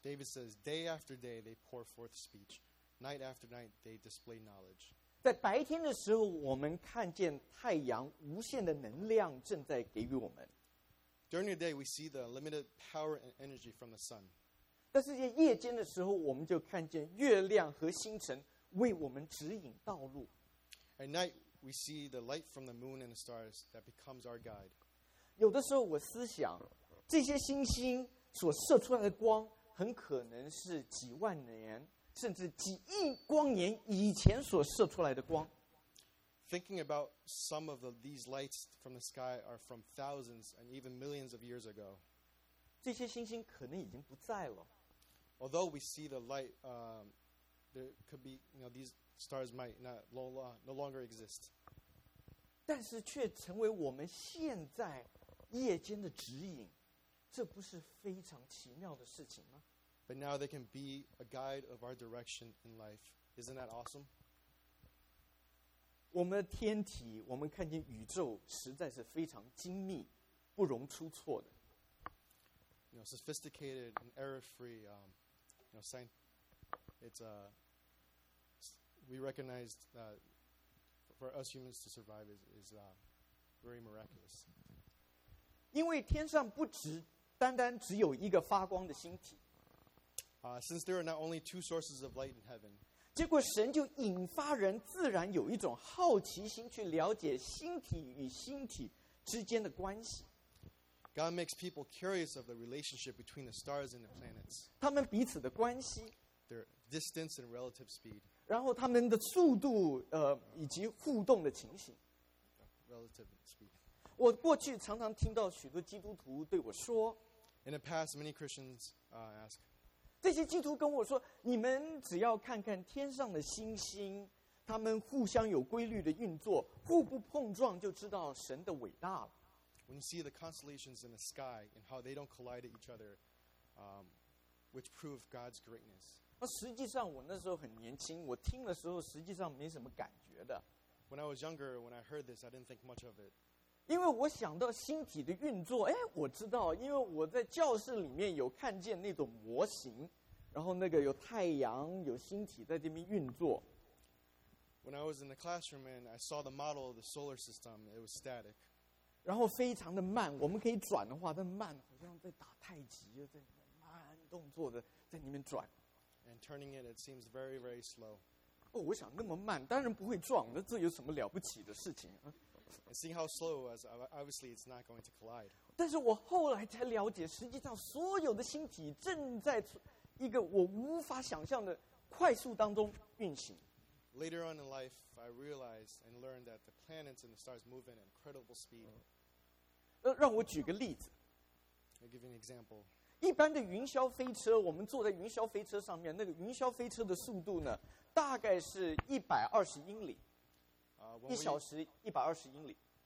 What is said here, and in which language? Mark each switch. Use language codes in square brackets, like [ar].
[en] David says, "Day after day, they pour forth speech." Night after night, they display knowledge. [zh] 在白天的时候，我们看见太阳无限的能量正在给予我们。 [en] During the day, we see the limited power and energy from the sun. [zh] 但是在夜间的时候，我们就看见月亮和星辰为我们指引道路。 [en] At night, we see the light from the moon and the stars that becomes our guide. [zh] 有的时候我思想，这些星星所射出来的光很可能是几万年甚至几亿光年以前所射出来的光。 [en] Thinking about some of these lights from the sky are from thousands and even millions of years ago. [zh] 这些星星可能已经不在了。 [en] Although we see the light, there could be, you know, these stars might not no longer exist. [zh] 但是却成为我们现在夜间的指引，这不是非常奇妙的事情吗？ [en] But now they can be a guide of our direction in life. Isn't that awesome? [zh] 我们的天体，我们看见宇宙实在是非常精密，不容出错的。 [en] You know, sophisticated and error-free, know, sign, it's a, we recognized that for us humans to survive is very miraculous. [zh] 因为天上不只单单只有一个发光的星体。 [en] Since there are not only two sources of light in heaven, [zh] 结果神就引发人自然有一种好奇心去了解星体与星体之间的关系。 [en] God makes people curious of the relationship between the stars and the planets. [zh] 他们彼此的关系。 [en] Their distance and relative speed. [zh] 然后他们的速度，以及互动的情形。 [en] Relative speed. [zh] 我过去常常听到许多基督徒对我说。 [en] In the past, many Christians ask. [zh] 这些基督徒跟我说，你们只要看看天上的星星，他们互相有规律的运作，互不碰撞，就知道神的伟大了。 [en] When you see the constellations in the sky and how they don't collide at each other, which prove God's greatness. [zh] 那实际上我那时候很年轻，我听的时候实际上没什么感觉的。 [en] When I was younger, when I heard this, I didn't think much of it. [zh] 因为我想到星体的运作，哎，我知道，因为我在教室里面有看见那种模型，然后那个有太阳，有星体在这边运作。 [en] When I was in the classroom and I saw the model of the solar system, it was static. [zh] 然后非常的慢，我们可以转的话，但慢好像在打太极，在里面慢动作的在里面转。 [en] And turning it, it seems very, very slow. [zh] 哦，我想那么慢，当然不会撞，那这有什么了不起的事情啊 [en] ？And seeing how slow it was, obviously it's not going to collide. [zh] 但是我后来才了解，实际上所有的星体正在一个我无法想象的快速当中运行。 [en] Later on in life, I realized and learned that the planets and the stars move at an incredible speed. [zh] 让我举个例子。 [en] I'll give you an example. [zh] 一般的云霄飞车，我们坐在云霄飞车上面，那个云霄飞车的速度呢，大概是120英里，一小时120英里。